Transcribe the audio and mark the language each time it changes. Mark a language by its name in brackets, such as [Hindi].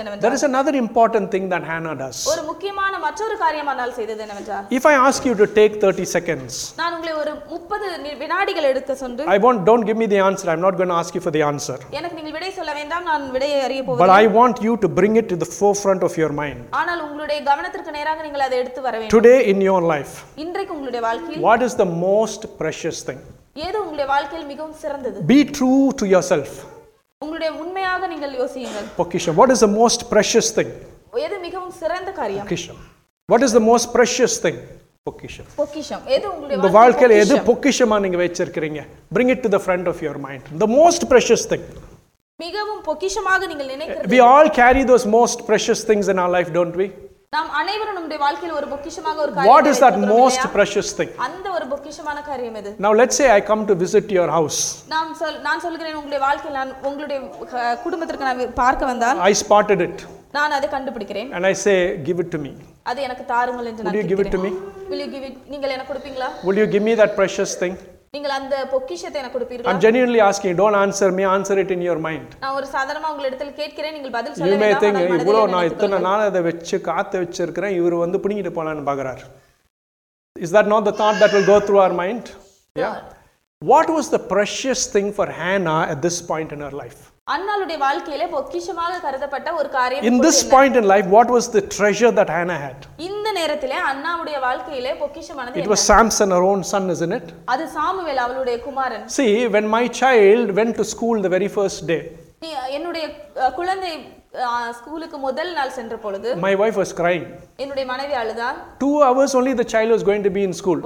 [Tamil] என்னவென்றால் [English] there is another important thing that Hannah does [Tamil] ஒரு முக்கியமான மற்றொரு காரியம் ஆனால் செய்தது என்னவென்றால் [English] if I ask you to take 30 seconds [Tamil] நான் உங்களை ஒரு 30 வினாடிகள் எடுக்க சொல்றேன் [English] I want don't give me the answer I'm not going to ask you for the answer [Tamil] எனக்கு நீங்கள் விடை சொல்ல வேண்டாம் நான் விடையை அறிய போவதில்லை [English] but I want you to bring it to the forefront of your mind [Tamil] ஆனால் உங்களுடைய கவனத்திற்கு நேராக நீங்கள் அதை எடுத்து வர வேண்டும் [English] today in your life [Tamil] இன்றைக்கு உங்களுடைய வாழ்க்கையில் [English] what is the most precious thing [Tamil] ஏது உங்களுடைய வாழ்க்கையில் மிகவும் சிறந்தது [English] Be true to yourself [Tamil] உங்களுடைய உண்மையாக நீங்கள் யோசியுங்கள் [English] Pokisha what is the most precious thing [Tamil] ஏது மிகவும் சிறந்த காரியம் [English] Pokisha what is the most precious thing Pokisha [Tamil] Pokisha ஏது உங்களுடைய வாழ்க்கையில் எது பொக்கிஷமா நீங்க வச்சிருக்கீங்க [English] Bring it to the front of your mind the most precious thing [Tamil] மிகவும் பொக்கிஷமாக நீங்கள் நினைக்கிறது [English] We all carry those most precious things in our life don't we [Tamil] நாம் அனைவரும் நம்முடைய வாழ்க்கையில் ஒரு பொக்கிஷமாக ஒரு காரியம் [English] What is that most precious thing? [Tamil] அந்த ஒரு பொக்கிஷமான காரியம் எது? [English] Now let's say I come to visit your house. [Tamil] நான் சொல்கிறேன் உங்களுடைய வாழ்க்கையில் நான் உங்களுடைய குடும்பத்திற்கு நான் பார்க்க வந்தால் [English] I spotted it. [Tamil] நான் அதை கண்டுபிடிக்கிறேன். [English] And I say give it to me. [Tamil] அது எனக்கு தாருங்கள் என்று நான் கேட்கிறேன். [English] Will you give it to me? [Tamil] நீங்கள் எனக்கு கொடுப்பீங்களா? [English] Will you give me that precious thing? [Tamil] நீங்கள் அந்த பொக்கிஷத்தை எனக்கு கொடுப்பீர்களா? [English] I'm genuinely asking. Don't answer me. Answer it in your mind. [Tamil] நான் ஒரு சாதாரணமா உங்களிடத்தில் கேட்கிறேன். நீங்கள் பதில் சொல்ல வேண்டாம். [English] You may think, [Tamil] இவ்வளவு நான் இத்தனை நாள் அதை வச்சு காத்து வச்சிருக்கிறேன். இவர் வந்து புடிங்கிட்டு போலான்னு பார்க்கிறார். [English] Is that not the thought that will go through our mind? Yeah. What was the precious thing for Hannah at this point in her life? [Tamil] அன்னாளுடைய வாழ்க்கையில பொக்கிஷமாக கருதப்பட்ட ஒரு காரியம் [English] In this point in life, what was the treasure that Hannah had? [Tamil] இந்த நேரத்திலே அன்னாளுடைய வாழ்க்கையில பொக்கிஷமானது [English] It was Samson, her own son, isn't it? [Tamil] அது Samuel அவளுடைய குமாரன் [English] See, when my child went to school the very first day. [Tamil] என்னுடைய குழந்தை ஸ்கூலுக்கு முதல் நாள் சென்ற பொழுது [English] My wife was crying. [Tamil] என்னுடைய மனைவி அழுதான் [English] 2 hours only the child was going to be in school.